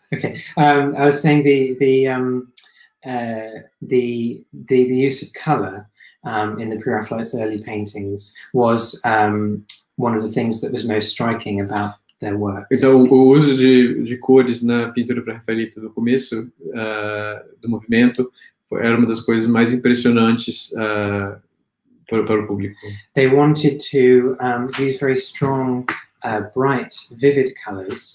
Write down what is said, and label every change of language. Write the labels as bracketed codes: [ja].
[en] Okay, I was saying the use of color in the Pre-Raphaelites' early paintings was one of the things that was most striking about their works. [pt] Então, o uso de cores na pintura pré-raphaelita no começo do movimento era uma das coisas mais impressionantes para o público. [en] They wanted to use very strong, bright, vivid colors.